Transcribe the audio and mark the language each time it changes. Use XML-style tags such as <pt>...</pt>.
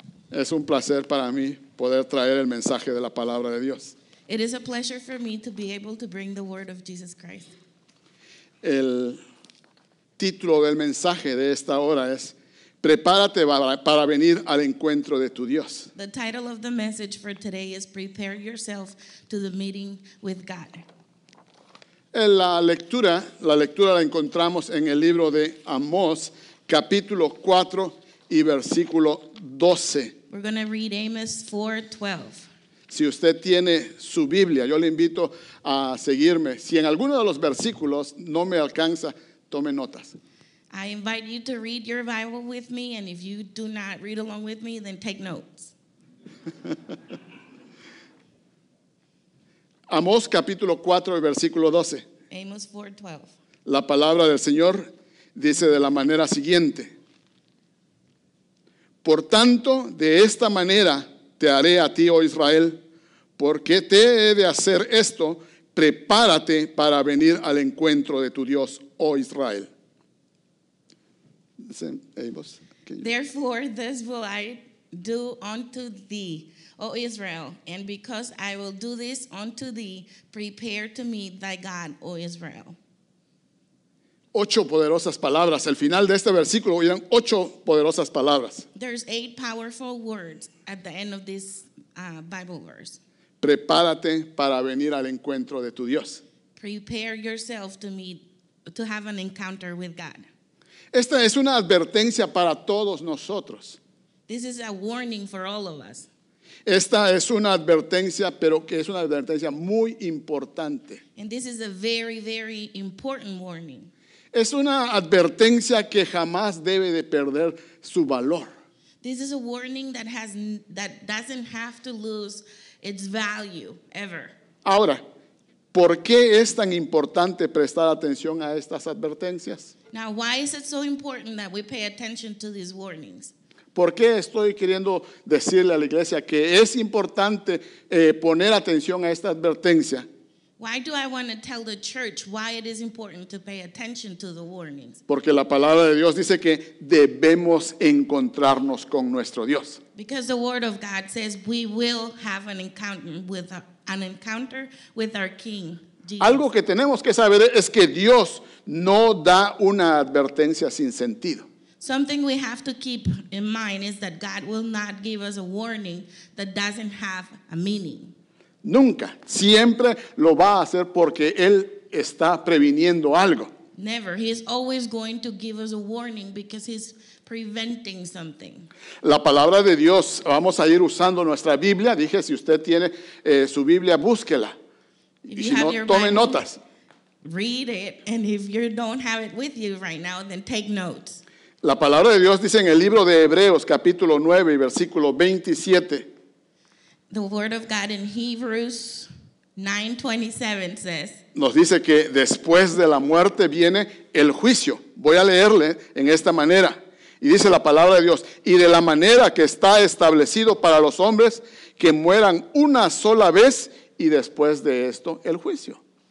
<es>Es un placer para mí poder traer el mensaje de la palabra de Dios.</es> <en>It is a pleasure for me to be able to bring the word of Jesus Christ.</en> <es>El título del mensaje de esta hora es Prepárate para venir al encuentro de tu Dios.</es> <en>The title of the message for today is Prepare yourself to the meeting with God.</en> <es>En la lectura la encontramos en el libro de Amós, capítulo 4 y versículo 12.</es> <en>We're going to read Amos 4, 12.</en> <es>Si usted tiene su Biblia, yo le invito a seguirme. Si en alguno de los versículos no me alcanza, tome notas.</es> <en>I invite you to read your Bible with me, and if you do not read along with me, then take notes.</en> <es>Amós capítulo 4 y versículo 12.</es> <en>Amos 4, 12.</en> <es>La palabra del Señor dice de la manera siguiente. Por tanto, de esta manera te haré a ti, oh Israel, porque te he de hacer esto, prepárate para venir al encuentro de tu Dios, oh Israel.</es> <en>Amos. Therefore, this will I do unto thee, O Israel, and because I will do this unto thee, prepare to meet thy God, O Israel.</en> <es>Ocho poderosas palabras. Al final de este versículo, oigan, ocho poderosas palabras.</es> <en>There's eight powerful words at the end of this Bible verse.</en> <es>Prepárate para venir al encuentro de tu Dios.</es> <en>Prepare yourself to meet, to have an encounter with God.</en> <es>Esta es una advertencia para todos nosotros.</es> <en>This is a warning for all of us.</en> <es>Esta es una advertencia, pero que es una advertencia muy importante.</es> <en>And this is a very, very important warning.</en> <es>Es una advertencia que jamás debe de perder su valor.</es> <en>This is a warning that has that doesn't have to lose its value ever.</en> <es>Ahora, ¿por qué es tan importante prestar atención a estas advertencias?</es> <en>Now, why is it so important that we pay attention to these warnings?</en> <es>¿Por qué estoy queriendo decirle a la iglesia que es importante poner atención a esta advertencia?</es> <en>Why do I want to tell the church why it is important to pay attention to the warnings?</en> <es>Porque la palabra de Dios dice que debemos encontrarnos con nuestro Dios.</es> <en>Because the word of God says we will have an encounter with our King Jesus.</en> <es>Algo que tenemos que saber es que Dios no da una advertencia sin sentido.</es> <en>Something we have to keep in mind is that God will not give us a warning that doesn't have a meaning.</en> <es>Nunca. Siempre lo va a hacer porque Él está previniendo algo.</es> <en>Never. He is always going to give us a warning because He's preventing something.</en> <es>La palabra de Dios, vamos a ir usando nuestra Biblia. Dije, si usted tiene su Biblia, búsquela.</es> <en>If you</en> <es>y si no, tome</es> <en>Bible,</en> <es>notas.</es> <en>Read it, and if you don't have it with you right now, then take notes.</en> <es>La palabra de Dios dice en el libro de Hebreos, capítulo 9 y versículo 27.</es> <en>The word of God in Hebrews 9:27 says.</en> <es>Nos dice que después de la muerte viene el juicio. Voy a leerle en esta manera. Y dice la palabra de Dios, y de la manera que está establecido para los hombres que mueran una sola vez y después de esto el juicio.</es>